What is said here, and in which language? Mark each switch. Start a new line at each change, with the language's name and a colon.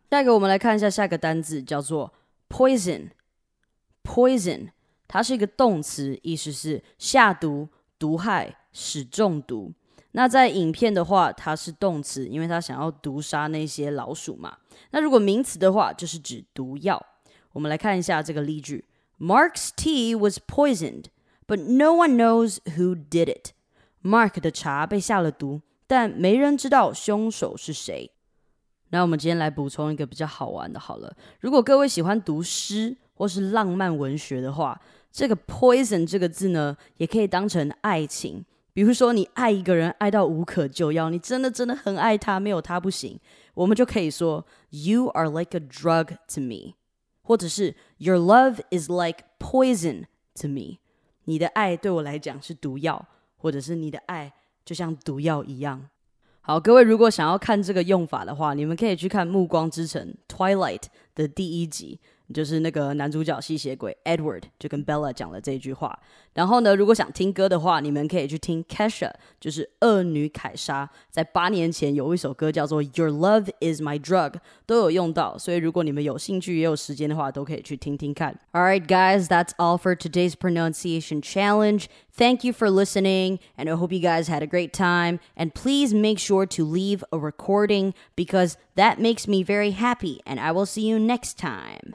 Chinese: 下一个我们来看一下下一个单字叫做 poison。poison 它是一个动词，意思是下毒、毒害、使中毒。那在影片的话它是动词，因为它想要毒杀那些老鼠嘛。那如果名词的话就是指毒药。我们来看一下这个例句
English: Mark's tea was poisoned but no one knows who did it。
Chinese: Mark 的茶被下了毒，但没人知道凶手是谁。那我们今天来补充一个比较好玩的好了，如果各位喜欢读诗或是浪漫文学的话，这个 poison 这个字呢也可以当成爱情。比如说你爱一个人爱到无可救药，你真的真的很爱他，没有他不行，我们就可以说
English: You are like a drug to me，
Chinese: 或者是
English: Your love is like poison to me，
Chinese: 你的爱对我来讲是毒药，或者是你的爱就像毒药一样。好，各位如果想要看这个用法的话，你们可以去看《暮光之城》 Twilight 的第一集，就是那个男主角吸血鬼 Edward 就跟 Bella 讲了这句话。然后呢，如果想听歌的话，你们可以去听 Kesha， 就是恶女凯莎，在八年前有一首歌叫做 Your Love Is My Drug， 都有用到。所以如果你们有兴趣也有时间的话，都可以去听听看。
English: Alright guys, that's all for today's pronunciation challenge. Thank you for listening and I hope you guys had a great time. And please make sure to leave a recording because that makes me very happy. And I will see you next time.